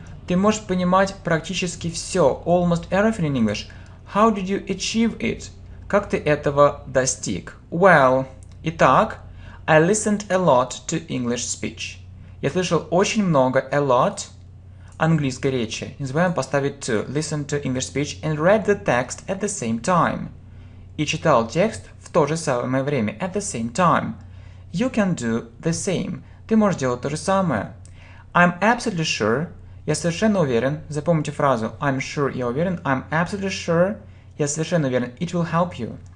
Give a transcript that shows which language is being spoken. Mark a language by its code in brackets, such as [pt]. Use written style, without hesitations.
[ru] Ты можешь понимать практически все. [en] Almost everything in English. How did you achieve it? [ru] Как ты этого достиг? Well, итак... [en] I listened a lot to English speech. [ru] Я слышал очень много, a lot, английской речи. Не забываем поставить to. [en] Listen to English speech and read the text at the same time. [ru] И читал текст в то же самое время. [en] At the same time. You can do the same. [ru] Ты можешь делать то же самое. [en] I'm absolutely sure. [ru] Я совершенно уверен. Запомните фразу. [en] I'm sure. [ru] Я уверен. [en] I'm absolutely sure. [ru] Я совершенно уверен. [en] It will help you.